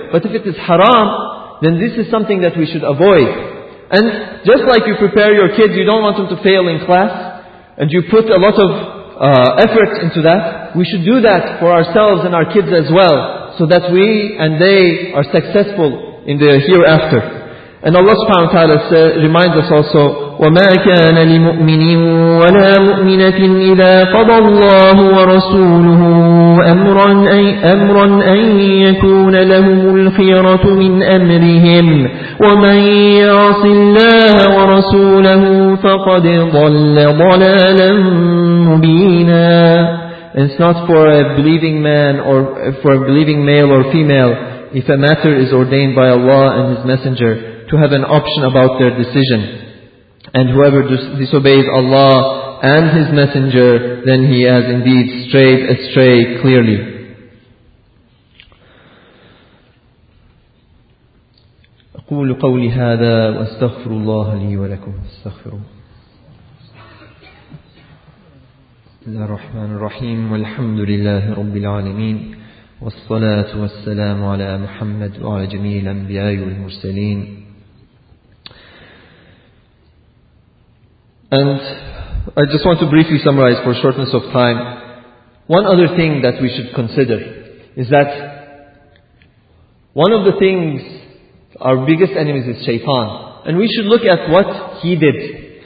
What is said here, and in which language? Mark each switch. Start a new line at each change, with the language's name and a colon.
English: But if it is haram, then this is something that we should avoid. And just like you prepare your kids, you don't want them to fail in class, and you put a lot of effort into that, we should do that for ourselves and our kids as well, so that we and they are successful in the hereafter. And Allah subhanahu wa ta'ala reminds us also,
Arabic: وَمَا كَانَ لِمُؤْمِنٍ وَلَا مُؤْمِنَةٍ إِذَا قَضَى اللَّهُ وَرَسُولُهُ أَمْرًا أَنْ يَكُونَ لَهُمُ الْخِيَرَةُ مِنْ أَمْرِهِمْ وَمَنْ يَعْصِ اللَّهَ وَرَسُولَهُ فَقَدْ ضَلَّ ضَلَالًا مُبِينًا.
English: And it's not for a believing man or for a believing male or female, if a matter is ordained by Allah and His Messenger, to have an option about their decision. And whoever disobeys Allah and His Messenger, then he has indeed strayed astray clearly.
Arabic: أقول قولي هذا وأستغفر الله لي ولكم استغفروا. بسم الله الرحمن الرحيم والحمد لله رب العالمين والصلاة والسلام على محمد وعلى جميع الأنبياء والمرسلين.
English: And I just want to briefly summarize for shortness of time. One other thing that we should consider is that one of the things, our biggest enemies is Shaytan. And we should look at what he did.